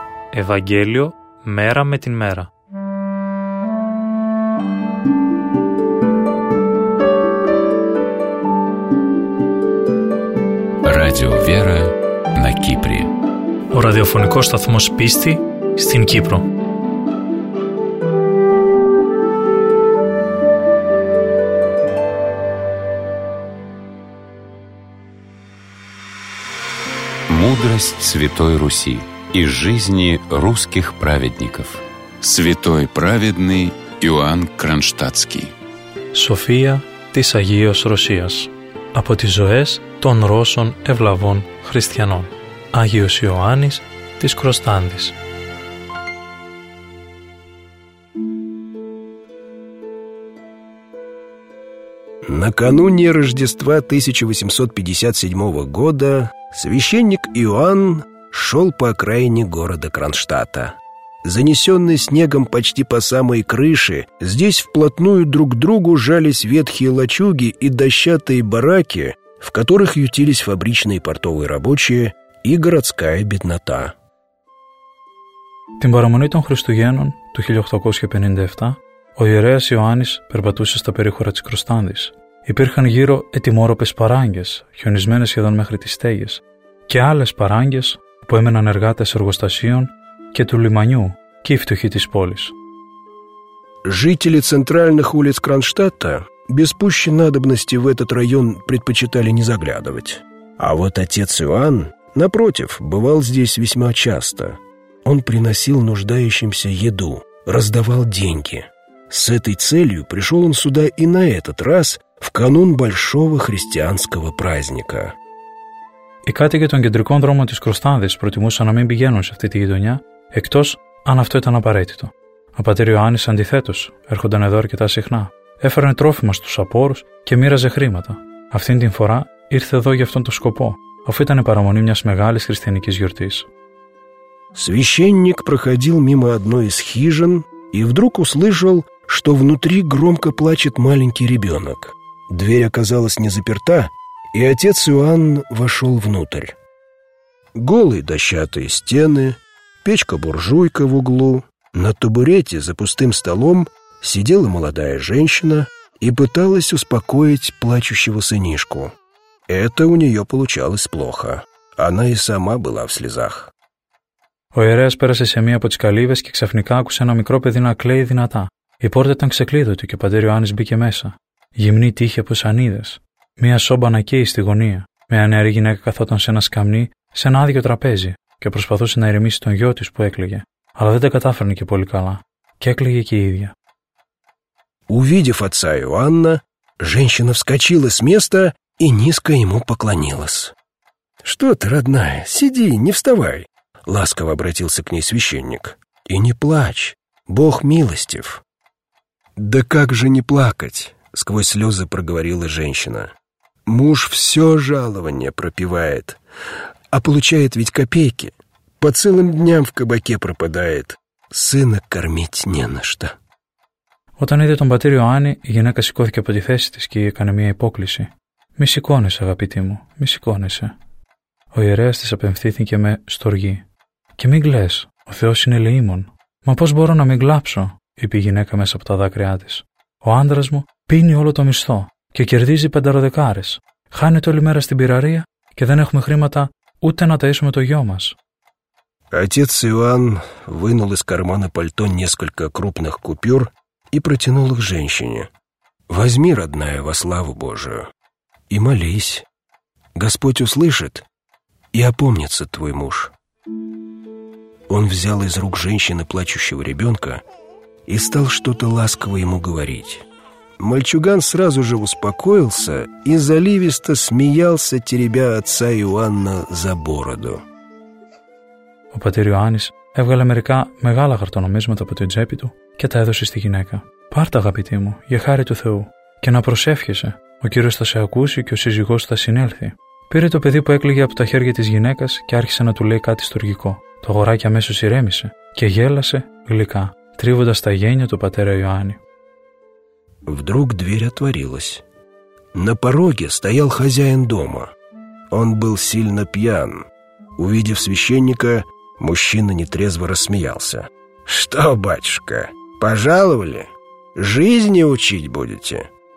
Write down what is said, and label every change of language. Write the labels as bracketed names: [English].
[Greek] Ευαγγέλιο μέρα με την μέρα. [Russian] Радио Вера на Кипре. [Greek] Ο ραδιοφωνικός σταθμός πίστη στην Κύπρο. [Russian] Мудрость Святой Руси из жизни русских праведников. Святой праведный Иоанн Кронштадтский. [Greek] София της Αγίας Ρωσίας. Από τις ζωές των Ρώσων ευλαβών χριστιανών. Άγιος Ιωάννης της Κροστάντης. [Russian] Накануне Рождества 1857 года священник Иоанн шел по окраине города Кронштадта. Занесенный снегом почти по самой крыше, здесь вплотную друг к другу жались ветхие лачуги и дощатые бараки, в которых ютились фабричные портовые рабочие и городская беднота. [Greek] Την παραμονή των Χριστουγέννων του 1857 ο ιερέας Ιωάννης περπατούσε στα περίχωρα της Κροστάντης. Υπήρχαν γύρω ετοιμόρροπες παράγγες, χιονισμένες σχεδόν μέχρι τις στέγες, και άλλες παράγγες που έμεναν εργάτες εργοστασίων και του λιμανιού και οι φτωχοί της πόλης. [Russian] Жители центральных улиц Кронштадта без пущей надобности в этот район предпочитали не заглядывать. А вот отец Иоанн, напротив, бывал здесь весьма часто. Он приносил нуждающимся еду, раздавал деньги. С этой целью пришел он сюда и на этот раз в канун большого христианского праздника. [Greek] Οι κάτοικοι των κεντρικών δρόμων της Κροστάνδης προτιμούσαν να μην πηγαίνουν σε αυτή τη γειτονιά, εκτός αν αυτό ήταν απαραίτητο. Ο πατήρ Ιωάννης αντιθέτως έρχονταν εδώ αρκετά συχνά. Έφερνε τρόφιμα στους απόρους και μοίραζε χρήματα. Αυτήν την φορά ήρθε εδώ για αυτόν τον σκοπό, αφού ήταν η παραμονή μιας μεγάλης χριστιανικής γιορτής. [Russian] Священник проходил мимо одной из хижин и вдруг услышал, что внутри громко плачет маленький ребенок. Дверь оказалась не заперта, и отец Иоанн вошел внутрь. Голые дощатые стены, печка-буржуйка в углу, на табурете за пустым столом сидела молодая женщина и пыталась успокоить плачущего сынишку. Это у нее получалось плохо. Она и сама была в слезах. [Greek] Ο ιερέας πέρασε σε μία από τις καλύβες και ξαφνικά άκουσε ένα μικρό παιδί να κλαίει δυνατά. Η πόρτα ήταν ξεκλείδωτη και ο πατήρ Ιωάννης μπήκε μέσα. Γυμνή τύχη από σανίδες. Μία σόμπα να καίει στη γωνία. Μία νεαρή γυναίκα καθόταν σε ένα σκαμνί, σε ένα άδειο τραπέζι και προσπαθούσε να ηρεμήσει τον γιο της που έκλαιγε. Αλλά δεν τα κατάφερνε και πολύ καλά. Και έκλαιγε και η ίδια. [Russian] Увидев отца Иоанна, женщина вскочила с места и низко ему поклонилась. «Что ты, родная, сиди, не вставай!» Ласково обратился к ней священник. «И не плачь, Бог милостив». «Да как же не плакать?» Сквозь слезы проговорила женщина. «Муж все жалование пропивает, а получает ведь копейки. По целым дням в кабаке пропадает. Сына кормить не на что». [Greek] Όταν είδε τον πατήρ Ιωάννη, η γυναίκα σηκώθηκε από τη θέση της και έκανε μια υπόκληση. «Μη σηκώνεσαι, αγαπητή μου, μη σηκώνεσαι». Ο ιερέας της απευθύνθηκε με στοργή. «Και μην κλαις, ο Θεός είναι ελεήμων. Μα πώς μπορώ να μην κλάψω», είπε η γυναίκα μέσα από τα δάκρυά της. «Ο άντρας μου πίνει όλο το μισθό και κερδίζει πενταροδεκάρες. Χάνεται όλη μέρα στην πυραρία και δεν έχουμε χρήματα ούτε να ταΐσουμε το γιο μας». [Russian] Отец Иоанн вынул из кармана пальто несколько крупных купюр и протянул их женщине. «Возьми, родная, во славу Божию». и молись. Господь услышит и опомнится твой муж». Он взял из рук женщины плачущего ребенка и стал что-то ласково ему говорить. Мальчуган сразу же успокоился и заливисто смеялся, теребя отца Иоанна за бороду. [Greek] Ο πατήρ Ιωάννης έβγαλε μερικά μεγάλα χαρτονομίσματα από την τσέπη του και τα έδωσε στη γυναίκα. «Πάρ' τα, αγαπητή μου, για χάρη του Θεού, και να προσεύχεσαι. Ο Κύριος θα σε ακούσει και ο σύζυγός θα συνέλθει». Πήρε το παιδί που έκλαιγε από τα χέρια της γυναίκας και άρχισε να του λέει κάτι στουργικό. Το αγοράκι αμέσως ηρέμησε και γέλασε γλυκά, τρίβοντας τα γένια του πατέρα Ιωάννη. [Russian] Вдруг дверь отворилась. На пороге стоял хозяин дома. Он был сильно пьян. Увидев священника, мужчина нетрезво рассмеялся. «Что, батюшка, пожаловали? Жизни учить будете?»